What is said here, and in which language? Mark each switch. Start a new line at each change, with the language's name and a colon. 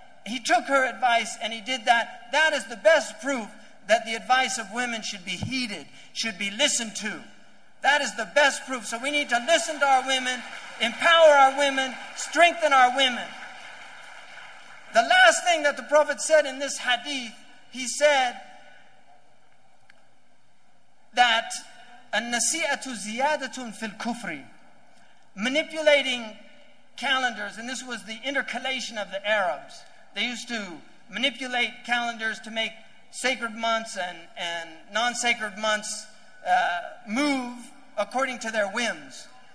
English: He took her advice and he did that. That is the best proof that the advice of women should be heeded, should be listened to. That is the best proof. So we need to listen to our women, empower our women, strengthen our women. The last thing that the Prophet said in this hadith, He said that
Arabic: النسيئة زيادة في الكفر.
English: Manipulating calendars, and this was the intercalation of the Arabs. They used to manipulate calendars to make sacred months and non-sacred months move according to their whims.